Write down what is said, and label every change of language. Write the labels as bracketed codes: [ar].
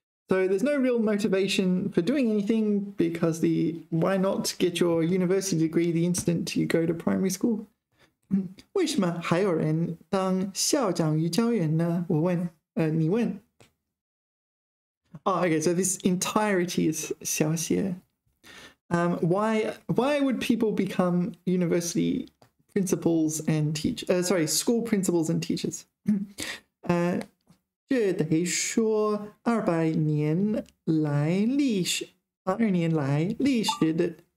[en] So there's no real motivation for doing anything because the why not get your university degree the instant you go to primary school? [zh] 为什么还有人当校长与教员呢? 我问, 你问。 [en] Oh, okay, so this entirety is 小写. Why would people become university principals and school principals and teachers? [zh] 这得说二百年来历史的